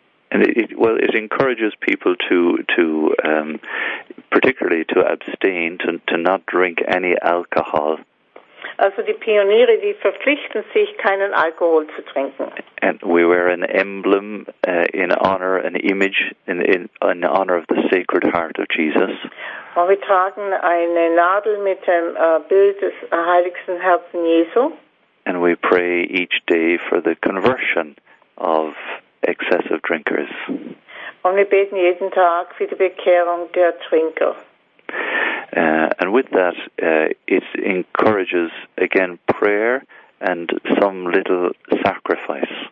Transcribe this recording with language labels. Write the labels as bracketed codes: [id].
[en] And it encourages people to particularly to abstain, to not drink any alcohol. [de] Also die Pioniere, die verpflichten sich, keinen Alkohol zu trinken. [en] And we wear an emblem in honor, an image in honor of the Sacred Heart of Jesus. [de] Und wir tragen eine Nadel mit dem Bild des Heiligsten Herzens Jesu. [en] And we pray each day for the conversion of excessive drinkers. [de] Und wir beten jeden Tag für die Bekehrung der Trinker. [en] And with that, it encourages again prayer and some little sacrifice.